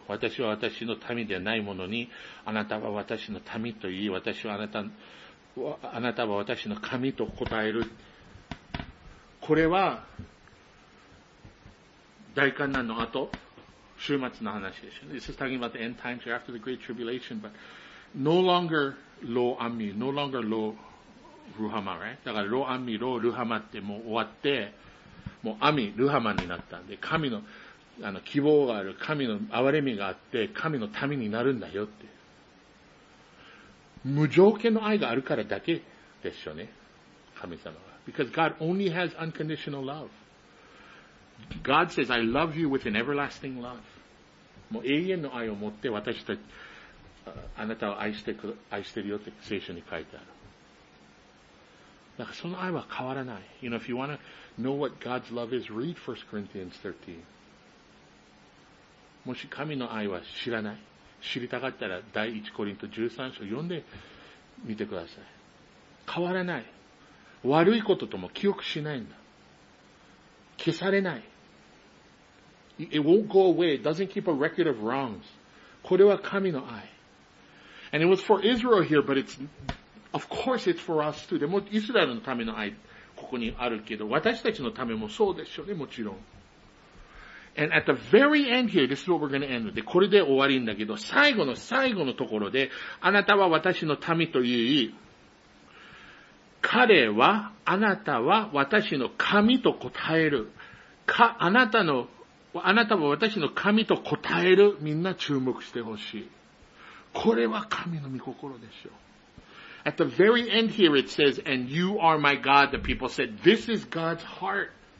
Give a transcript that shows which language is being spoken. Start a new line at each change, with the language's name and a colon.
Japanese: 私は私の民ではないものに、あなたは私の民と言い、私はあなたは私の神と答える。これは、大患難の後、終末の話でしょ。
English: This is talking about the end times after the Great Tribulation, but no longer Lo Ammi, no longer Lo Ruhama, right?
Japanese: だから Lo Ammi, Lo Ruhama ってもう終わって、もう Ammi, Ruhama になったんで、神の、希望がある、神の憐れみがあって、神の民になるんだよって。無条件の愛があるからだけですよね。神様は。
English: Because God only has unconditional love. God says, I love you with an everlasting love.
Japanese: もう永遠の愛を持って私たち、あなたを愛してるよって聖書に書いてある。だからその愛は変わらない。
English: You know, if you want to know what God's love is, read 1 Corinthians 13.
Japanese: もし神の愛は知らない。知りたかったら第1コリント13章読んでみてください。変わらない。悪いこととも記憶しないんだ。消されない。
English: It won't go away. It doesn't keep a record of wrongs.
Japanese: これは神の愛。
English: And it was for Israel here, but it's, of course it's for us too.
Japanese: でもイスラエルのための愛、ここにあるけど、私たちのためもそうでしょうね、もちろん。
English: And at the very end here, this is what we're going to end with.
Japanese: で、これで終わりんだけど、最後の最後のところで、あなたは私の民という、彼は、あなたは私の神と答える。か、あなたの、あなたも私の神と答える。みんな注目してほしい。これは神の御心でしょう。
English: At the very end here it says, and you are my God, the people said, this is God's heart.